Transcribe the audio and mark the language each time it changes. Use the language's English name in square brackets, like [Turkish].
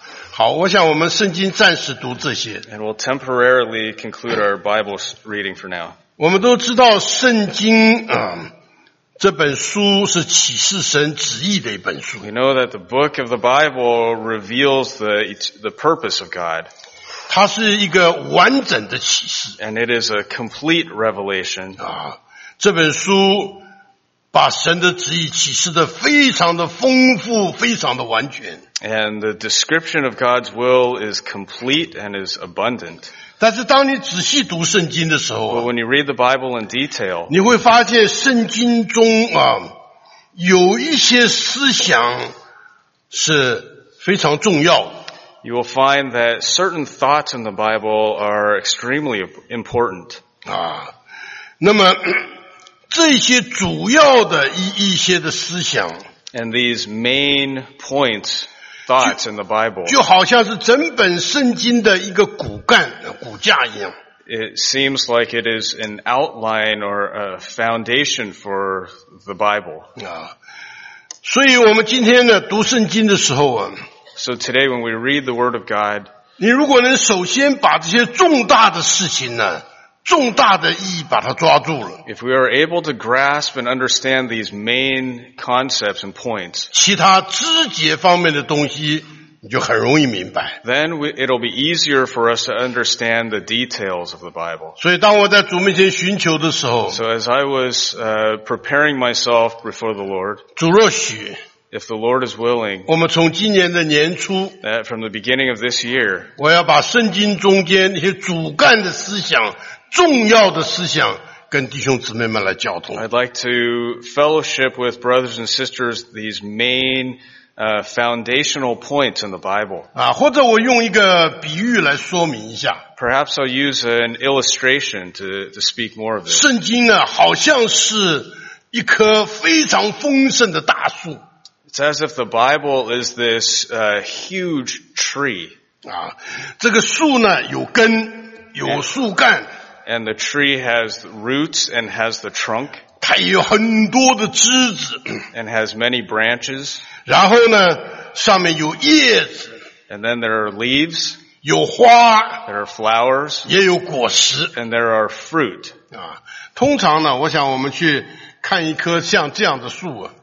[Chinese] 好，我想我们圣经暂时读这些。 [English] And we'll temporarily conclude our Bible reading for now. [Chinese] 我们都知道圣经这本书是启示神旨意的一本书。 [English] We know that the book of the Bible reveals the purpose of God. [Chinese] 它是一个完整的启示。 [English] And it is a complete revelation. [Chinese] 这本书把神的旨意启示得非常的丰富，非常的完全。 [English] And the description of God's will is complete and is abundant. [Chinese] 但是当你仔细读圣经的时候 [English] But when you read the Bible in detail, [Chinese] 你会发现圣经中有一些思想是非常重要。 [English] You will find that certain thoughts in the Bible are extremely important. [Chinese] 那么这些主要的一些的思想 [English] And these main points,Thoughts in the Bible. [Chinese] 就好像是整本圣经的一个骨干、骨架一样。 [English] It seems like it is an outline or a foundation for the Bible. [Chinese] 所以我们今天呢读圣经的时候啊。 [English] So today when we read the Word of God, [Chinese] 你如果能首先把这些重大的事情呢重大的意义把它抓住了。 [English] If we are able to grasp and understand these main concepts and points, [Chinese] 其他枝节方面的东西你就很容易明白。 [English] Then it'll be easier for us to understand the details of the Bible. [Chinese] 所以当我在主面前寻求的时候 [English] So as I was preparing myself before the Lord, [Chinese] 主若许 [English] If the Lord is willing, [Chinese] 我们从今年的年初 [English] from the beginning of this year, [Chinese] 我要把圣经中间那些主干的思想重要的思想跟弟兄姊妹们来交通。 [English] I'd like to fellowship with brothers and sisters these main, foundational points in the Bible. [Chinese] 或者我用一个比喻来说明一下。 [English] Perhaps I'll use an illustration to speak more of this. [Chinese] 圣经呢，好像是一棵非常丰盛的大树。 [English] It's as if the Bible is this, huge tree. [Chinese] 这个树呢，有根，有树干。 [English] And the tree has roots and has the trunk. [Chinese] 它有很多的枝子。 [English] And has many branches. [Chinese] 然后呢，上面有叶子。 [English] And then there are leaves. [Chinese] 有花。 [English] There are flowers. [Chinese] 也有果实。 [English] And there are fruit. [Chinese] 通常呢，我想我们去看一棵像这样的树啊。